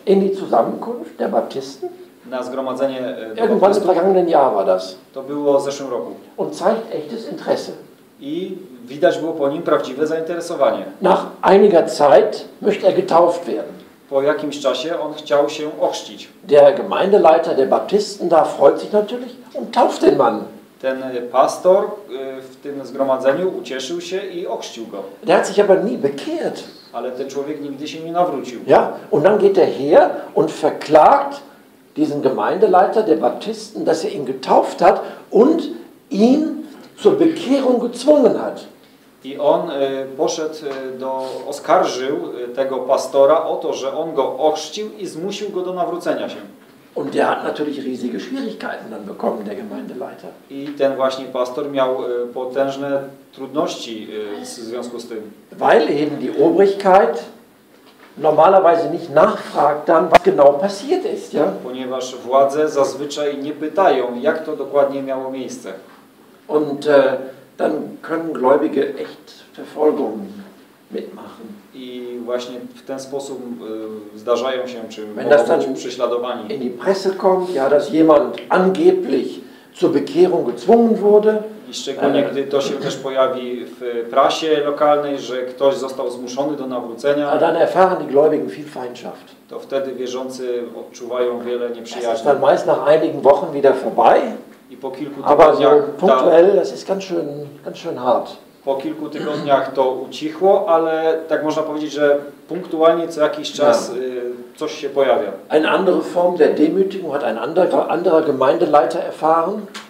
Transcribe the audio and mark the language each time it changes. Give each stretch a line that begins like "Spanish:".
German: In die Zusammenkunft der Baptisten.
Polish: Na zgromadzenie.
German: Irgendwann im vergangenen Jahr war das.
Polish: To było w zeszłym roku.
German: Und zeigt echtes Interesse.
Polish: I widać było po nim prawdziwe zainteresowanie.
German: Nach einiger Zeit möchte er getauft werden.
Polish: Po jakimś czasie on chciał się ochrzcić.
German: Der Gemeindeleiter der Baptisten da freut sich natürlich und tauft den Mann.
Polish: Ten pastor w tym zgromadzeniu ucieszył się i ochrzcił go.
German: Der hat sich aber nie bekehrt.
Polish: Ale ten człowiek nigdy się nie nawrócił.
German: Ja, und dann geht er her und verklagt diesen Gemeindeleiter der Baptisten, dass er ihn getauft hat und ihn zur Bekehrung gezwungen hat.
Polish: I on poszedł do, oskarżył tego pastora o to, że on go ochrzcił i zmusił go do nawrócenia się.
German: Und der hat natürlich riesige Schwierigkeiten dann bekommen, der Gemeindeleiter.
Polish: I ten właśnie pastor miał potężne trudności w związku z tym.
German: Weil eben die Obrigkeit normalerweise nicht nachfragt dann, was genau passiert ist. Ja?
Polish: Ponieważ władze zazwyczaj nie pytają, jak to dokładnie miało miejsce.
German: Und dann können Gläubige echt Verfolgung mitmachen.
Polish: I właśnie w ten sposób zdarzają się, czy mogą być prześladowani.
German: In die Presse kommt, ja, dass jemand angeblich zur Bekehrung gezwungen wurde.
Polish: I szczególnie, gdy to się też pojawi w prasie lokalnej, że ktoś został zmuszony do nawrócenia,
German: dann erfahren die Gläubigen viel Feindschaft.
Polish: To wtedy wierzący odczuwają wiele nieprzyjaźni.
German: Es ist dann meist nach einigen Wochen wieder vorbei.
Polish: I po kilku tygodniach,
German: aber so punktuell, das ist ganz schön hart.
Polish: Po kilku tygodniach to ucichło, ale tak można powiedzieć, że punktualnie co jakiś czas coś się pojawia.
German: Eine andere Form der Demütigung hat ein anderer Gemeindeleiter erfahren.